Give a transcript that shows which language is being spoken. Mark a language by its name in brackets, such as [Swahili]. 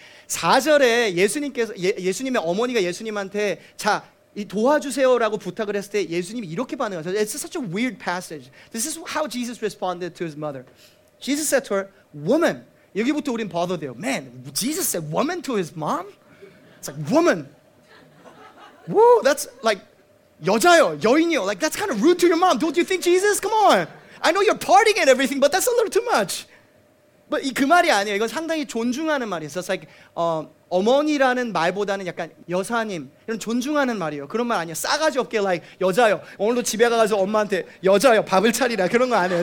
[Korean] 4절에 예수님께서 예수님의 어머니가 예수님한테 자 도와주세요라고 부탁을 했을 때 예수님이 이렇게 반응하셨어요. [English] It's such a weird passage. This is how Jesus responded to his mother. Jesus said to her, "Woman." [Korean] 여기부터 우린 버더돼요. [English] Man, Jesus said woman to his mom? It's like woman. Woo, that's like [Korean] 여자요, 여인이요. [English] Like that's kind of rude to your mom. Don't you think, Jesus? Come on. I know you're partying and everything, but that's a little too much. But [Korean] 그 말이 아니에요. 이건 상당히 존중하는 말이에요. [English] So it's like [Korean] 어머니라는 말보다는 약간 여사님 이런 존중하는 말이에요. 그런 말 아니에요. 싸가지 없게 like 여자요. 오늘도 집에 가서 엄마한테 여자요 밥을 차리라 그런 거 아니에요.